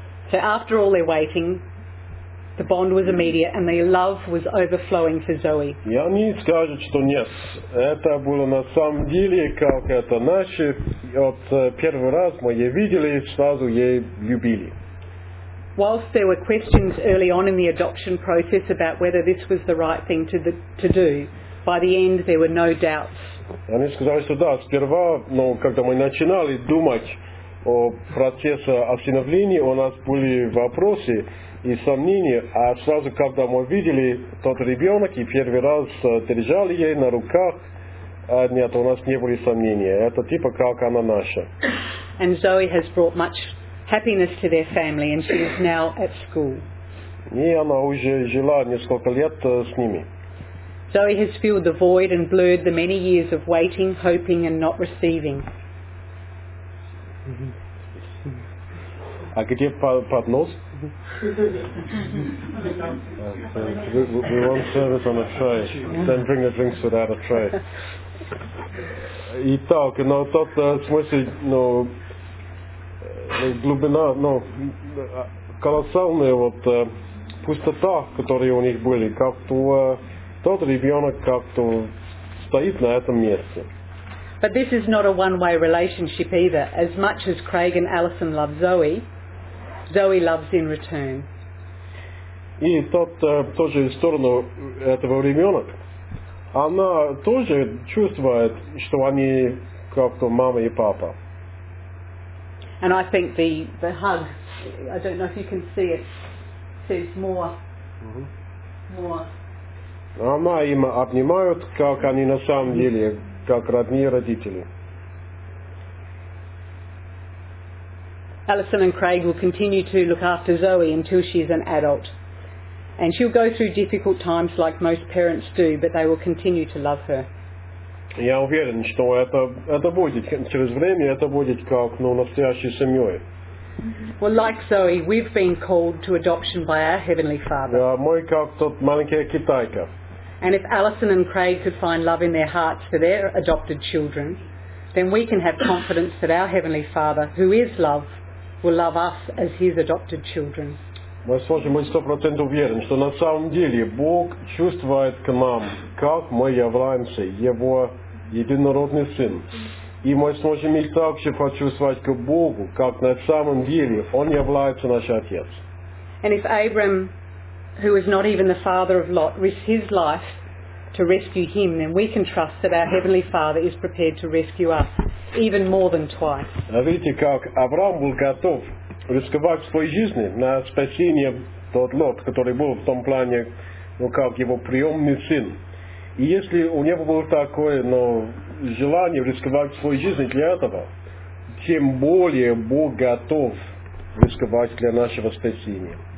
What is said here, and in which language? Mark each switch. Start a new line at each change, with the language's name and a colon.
English: So after all their waiting, the bond was immediate and their love was overflowing for Zoe.
Russian: Я не скажу, что нет. Это было на самом деле как это наши. От первого раза мы ее видели, сразу ей любили.
English: Whilst there were questions early on in the adoption process about whether this was the right thing to do, by the end there were no doubts.
Russian: Они сказали, что да, сперва, но когда мы начинали думать о процессе осиновления, у нас были вопросы и сомнения, а сразу, когда мы видели тот ребенок и первый раз держали ей на руках, нет, у нас не были сомнения. Это типа как она наша.
English: And Zoe has brought much happiness to their family, and she is now at school.
Russian: И она уже жила несколько лет с ними.
English: Zoe has filled the void and blurred the many years of waiting, hoping, and not receiving.
Russian: А где поднос?
English: We want service on a tray. Then bring the drinks without a tray.
Russian: Итак, но тот смысл, ну. Глубина, ну, колоссальная вот пустота, которые у них были, как тот ребенок как-то стоит на этом месте.
English: But this is not a one-way relationship either. As much as Craig and Allison love Zoe, Zoe loves in return.
Russian: И тоже в сторону этого ребенка. Она тоже чувствует, что они как-то мама и папа.
English: And I think the hug, I don't know if you can see it, says more. Mm-hmm. More.
Russian: Она им обнимает, как они на самом деле, как родные родители.
English: Allison and Craig will continue to look after Zoe until she is an adult. And she'll go through difficult times like most parents do, but they will continue to love her.
Russian: Я уверен, что это будет через время, это будет как, ну, настоящей семьей.
English: Well, like Zoe, we've been called to adoption by our Heavenly Father.
Russian: Мы как тот маленький китайка.
English: And if Allison and Craig could find love in their hearts for their adopted children, then we can have confidence that our Heavenly Father, who is love, will love us as His adopted children.
Russian: Мы сможем быть 100% уверены, что на самом деле Бог чувствует к нам, как мы являемся Его единородный Сын. И мы сможем и также почувствовать к Богу, как на самом деле Он является наш Отец.
English: And if Abram, who is not even the father of Lot, risked his life to rescue him, then we can trust that our Heavenly Father is prepared to rescue us even more than twice.
Russian: А видите, как Авраам был готов рисковать своей жизни на спасение тот Лот, который был в том плане, ну как его приемный сын. И если у него было такое, ну, желание рисковать своей жизни для этого, тем более Бог готов рисковать для нашего спасения.